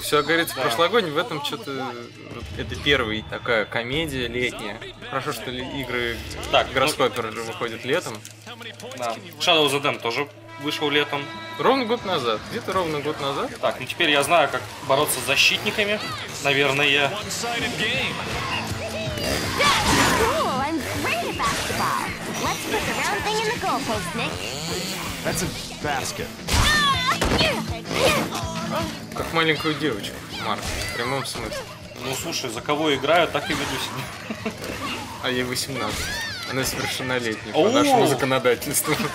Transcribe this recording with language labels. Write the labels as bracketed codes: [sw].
[ru] Все говорится в прошлогоднем. В этом что-то... Это первая такая комедия летняя. Хорошо, что игры Grasshopper выходят летом. Да. Shadow of Eden тоже вышел летом. Ровно год назад. Где-то ровно год назад. Так, ну теперь я знаю, как бороться с защитниками. Наверное, я... [en] Cool, I'm great at basketball. Let's put the round thing in the goalpost, Nick. That's a basket. [ru] Как маленькую девочку, Марк, в прямом смысле. Ну, слушай, за кого играю, так и веду себя. А ей 18. Она совершеннолетняя по нашему законодательству.